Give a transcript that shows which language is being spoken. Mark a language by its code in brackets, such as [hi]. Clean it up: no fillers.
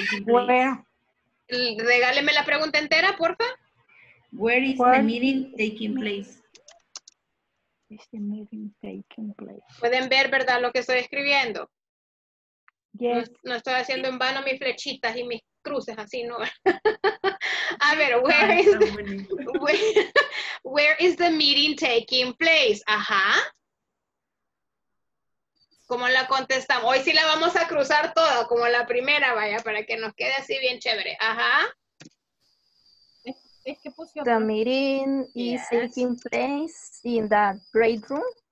[es] Where? Regáleme la pregunta entera, porfa. [en] Where is the meeting taking place? Is the meeting taking place? [es] Pueden ver, ¿verdad?, lo que estoy escribiendo. [en] Yes. [es] No estoy haciendo en vano mis flechitas y mis cruces así, ¿no? A ver, [en] where is the meeting taking place? Ajá. [es] ¿Cómo la contestamos? Hoy sí la vamos a cruzar toda, como la primera, vaya, para que nos quede así bien chévere. Ajá. Es que puse [en] the meeting is taking place in the great room.